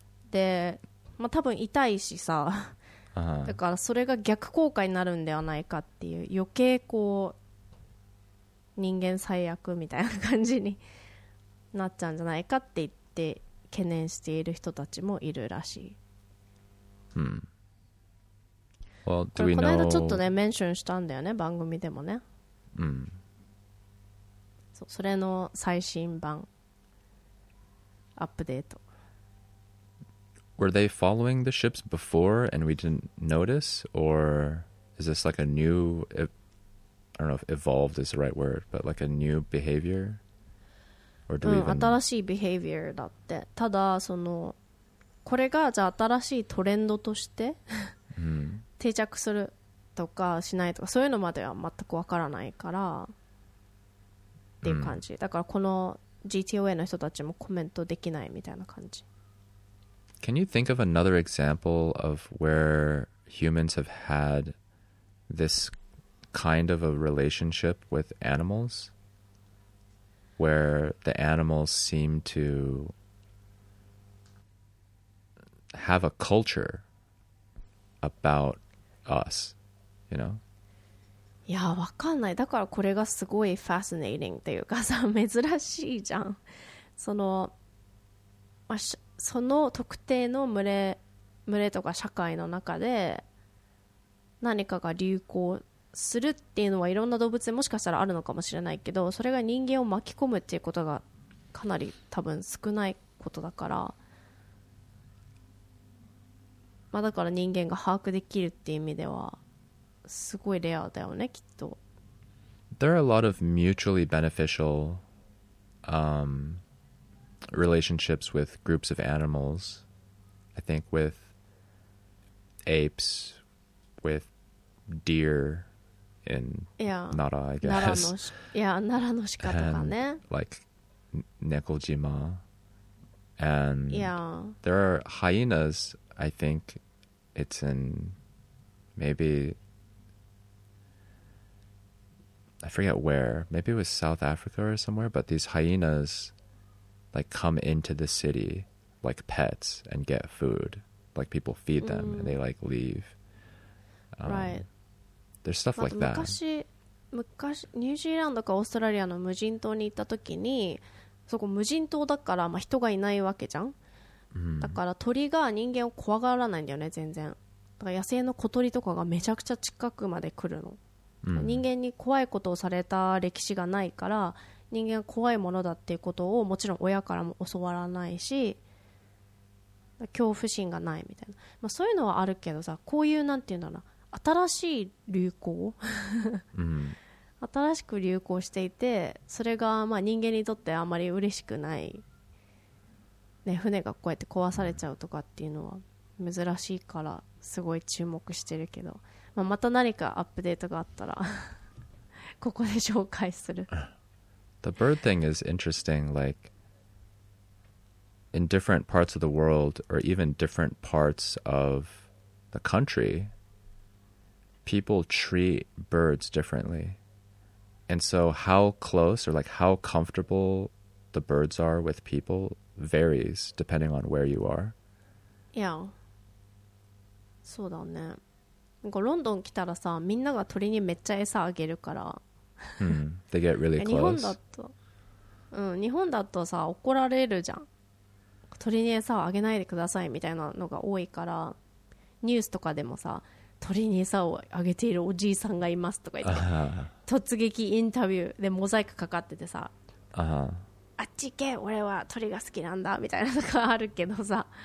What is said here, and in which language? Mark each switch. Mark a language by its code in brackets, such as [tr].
[ja] で、まあ、多分痛いしさだからそれが逆効果になるんではないかっていう、余計こう人間最悪みたいな感じになっちゃうんじゃないかって言って懸念している人たちもいるらしい。 [en] うん。Well, do we know... [ja] この間ちょっとねメンションしたんだよね番組でもね。うん。そう、それの最新版アップデート。 [en] Were they following the ships before and we didn't notice? Or is this like a new, I don't know if evolved is the right word, but like a new behavior? Or do we even... [ja] 新しい behavior だって。ただ、その、これがじゃあ新しいトレンドとして定着するとかしないとか、そういうのまでは全くわからないからっていう感じ。だからこの GTOA の人たちもコメントできないみたいな感じ。 [en] Can you think of another example of where humans have had this kind of a relationship with animals? Where the animals seem to have a culture about us, you know? [ja] いや、わかんない。だからこれがすごい fascinating っていうかさ、珍しいじゃん。その、まあ、その特定の群れとか社会の中で何かが流行するっていうのはいろんな動物でもしかしたらあるのかもしれないけど、それが人間を巻き込むっていうことがかなり多分少ないことだから、まあ、だから人間が把握できるっていう意味ではすごいレアだよねきっと。 [en] There are a lot of mutually beneficial relationships with groups of animals. I think with apes, with deer in Nara, I guess. [ja] Nara no shika とかね。 [en] Like Nekojima. And yeah. There are hyenas, I think it's in maybe, I forget where. Maybe it was South Africa or somewhere, but these hyenas... like come into the city like pets and get food, like people feed them、mm. and they like leave、 right. There's stuff like that. [ja] 昔ニュージーランドかオーストラリアの無人島に行った時に、そこ無人島だから、まあ、人がいないわけじゃん、 mm. だから鳥が人間を怖がらないんだよね全然。だから野生の小鳥とかがめちゃくちゃ近くまで来るの、mm. 人間に怖いことをされた歴史がないから、人間は怖いものだっていうことをもちろん親からも教わらないし、恐怖心がないみたいな、まあ、そういうのはあるけどさ、こういうなんていうんだろうな、新しい流行新しく流行していて、それがまあ人間にとってあまり嬉しくない、ね、船がこうやって壊されちゃうとかっていうのは珍しいからすごい注目してるけど、まあ、また何かアップデートがあったらここで紹介する [en] The bird thing is interesting, like, in different parts of the world, or even different parts of the country, people treat birds differently. And so how close, or like how comfortable the birds are with people, varies depending on where you are. Yeah. [ja] そうだね。なんかロンドン来たらさ、みんなが鳥にめっちゃ餌あげるから。 [en] They get really close. [ja] 日本だと、うん、日本だとさ、怒られるじゃん。鳥に餌をあげないでくださいみたいなのが多いから、ニュースとかでもさ、鳥に餌をあげているおじいさんがいますとか言って、突撃インタビューでモザイクかかっててさ、あっち行け、俺は鳥が好きなんだみたいなのがあるけどさ。